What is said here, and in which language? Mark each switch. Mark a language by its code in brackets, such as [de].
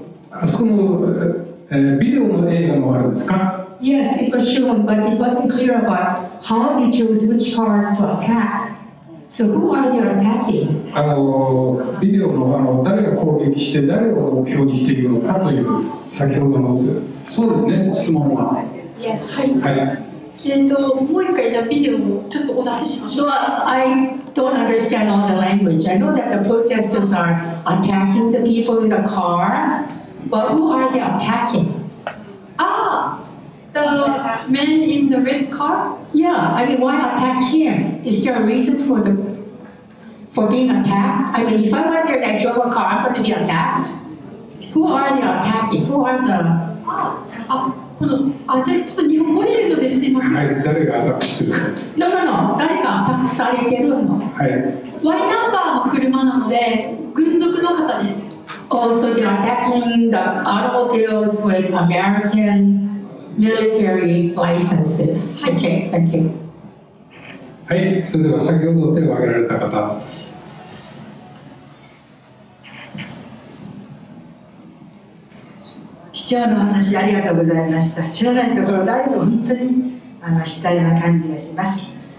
[ja] あそこの、ビデオの映画もあるんですか? [en] Yes, it was shown, but it wasn't clear about how they chose which cars to attack. So who are they attacking? [ja] ビデオの、誰が攻撃して誰を目標にしているのかという先ほどの、そうですね、質問は。 [en] Yes. [ja] はい。はい。もう一回じゃビデオをちょっとお出ししましょう。 [en] Well, I don't understand all the language. I know that the protesters are attacking the people in the car, but who are they attacking? Ah, the man in the red car? Yeah, I mean, why attack him? Is there a reason for the, for being attacked? I mean, if I were there and I drove a car, I'm going to be attacked. Who are they attacking? Who are the... [ja] この、じゃあちょっと日本語で言うのですいません。はい、誰がアタックしてるの？ [en] No. [ja] 誰がアタックされてるの？はい。ワイナンバーの車なので、軍属の方です。 [en] Oh, so they're attacking the automobiles with American military licenses. [ja] はい、 [en] okay, thank you. [ja] はい、それでは先ほど手を挙げられた方。貴重な話ありがとうございました。知らないところだいぶ本当に知ったような感じがします。